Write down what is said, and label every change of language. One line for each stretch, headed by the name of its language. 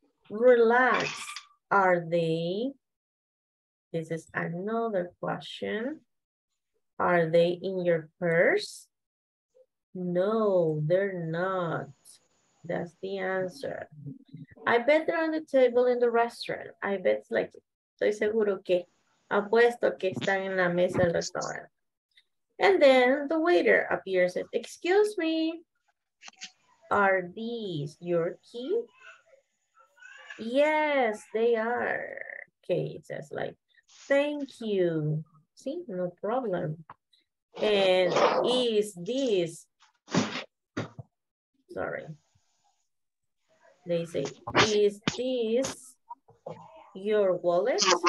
English: Relax, are they? This is another question. Are they in your purse? No, they're not. That's the answer. I bet they're on the table in the restaurant. I bet, like,
Spanish: estoy seguro que, apuesto que están en la mesa del restaurante.
English: And then the waiter appears and says, excuse me, are these your key? Yes, they are. Kate says, like, thank you. See, no problem. And is this, sorry, they say, is this your wallet?